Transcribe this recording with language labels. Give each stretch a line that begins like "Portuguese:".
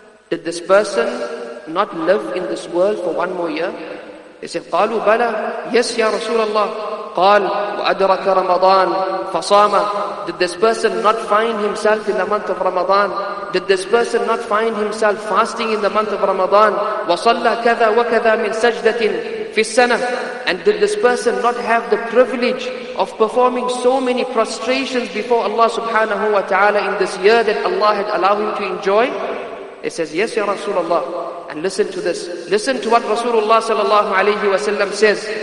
English: Did this person not live in this world for one more year? He said,
Arabic: قَالُوا بَلَى.
English: Yes, Ya Rasulullah.
Arabic: قال وأدرك رمضان فصام.
English: Did this person not find himself in the month of Ramadan? Did this person not find himself fasting in the month of Ramadan?
Arabic: وصلى كذا وكذا من سجدة في السنة.
English: And did this person not have the privilege of performing so many prostrations before Allah subhanahu wa ta'ala in this year that Allah had allowed him to enjoy? He says, yes, Ya Rasulullah. And listen to this. Listen to what Rasulullah sallallahu alayhi wa sallam says.